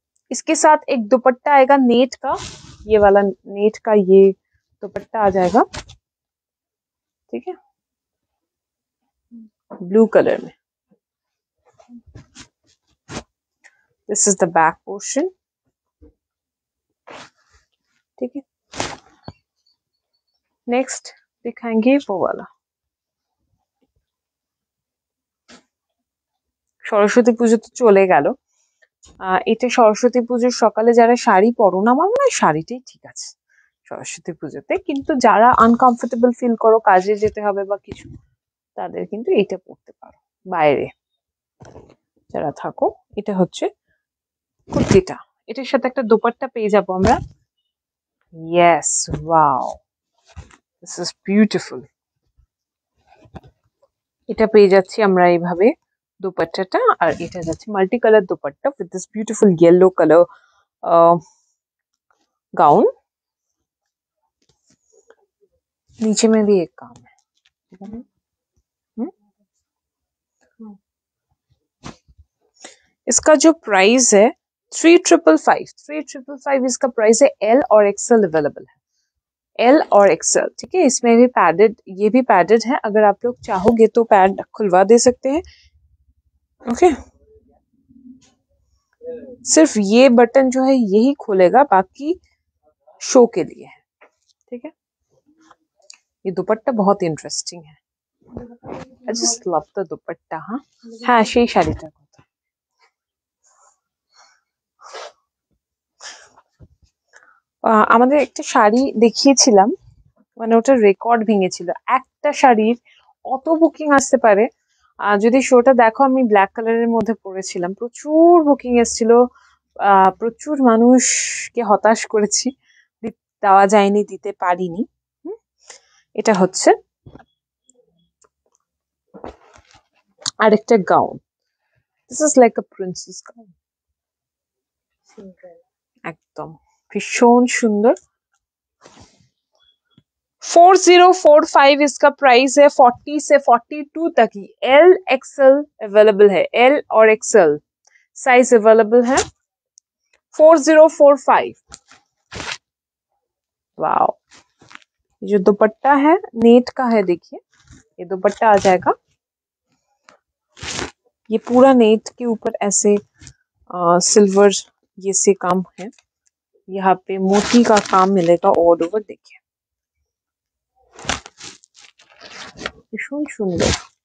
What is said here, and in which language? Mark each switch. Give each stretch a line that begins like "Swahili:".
Hindi: इसके साथ एक दुपट्टा आएगा नेट का, ये वाला नेट का ये दुपट्टा आ जाएगा, ठीक है, ब्लू कलर में।
English: this is the back portion,
Hindi: ठीक है। नेक्स्ट दिखाएंगे वो वाला,
Bangla: সরস্বতী পুজো তো চলে গেল, এটা সরস্বতী পুজোর সকালে যারা শাড়ি পরো না, আমার মনে হয় শাড়িটাই ঠিক আছে সরস্বতী পুজোতে, কিন্তু যারা আনকমফোর্টেবল ফিল করো কাজে যেতে হবে বা কিছু, তাদের কিন্তু এটা পড়তে পারো, বাইরে যারা থাকো এটা হচ্ছে কুর্তিটা, এটার সাথে একটা দোপাট্টা পেয়ে যাবো আমরা।
English: yes, wow, this is beautiful,
Bangla: এটা পেয়ে যাচ্ছি আমরা এইভাবে দোপাট্টাটা, আর এটা যাচ্ছে multi colour dupatta with this beautiful yellow colour gown,
Hindi: নিচে মে ভি এক কাম, इसका जो प्राइस है 3555, इसका प्राइस है, एल और एक्सएल अवेलेबल है, एल और एक्सएल, ठीक है। इसमें भी पैडेड, ये भी पैडेड है, अगर आप लोग चाहोगे तो पैड खुलवा दे सकते हैं, ओके। सिर्फ ये बटन जो है यही खोलेगा, बाकी शो के लिए है, ठीक है। ये दुपट्टा बहुत इंटरेस्टिंग है, आई जस्ट लव द दुपट्टा, हाँ हाँ सही शाड़ी तक
Bangla: আমাদের একটা শাড়ি দেখিয়েছিলাম, মানে ওটা রেকর্ড ভেঙেছিল, একটা শাড়ির অত বুকিং আসতে পারে, যদি শোটা দেখো আমি ব্ল্যাক কালারের মধ্যে পরেছিলাম, প্রচুর বুকিং এসেছিল, প্রচুর মানুষকে হতাশ করেছি, দেওয়া যায়নি, দিতে পারিনি। এটা হচ্ছে আরেকটা gown,
English: this is like a princess gown,
Bangla: একদম ভীষণ সুন্দর।
Hindi: 4045 इसका प्राइस है, 40 से 42 तक ही एल एक्सएल अवेलेबल है, एल और एक्सएल साइज अवेलेबल है, 4045। वाओ, जो दुपट्टा है नेट का है, देखिए ये दुपट्टा आ जाएगा, ये पूरा नेट के ऊपर ऐसे सिल्वर ये से काम है, यहाँ पे मोती का काम मिलेगा ऑल ओवर, देखिए भीषण सुंदर।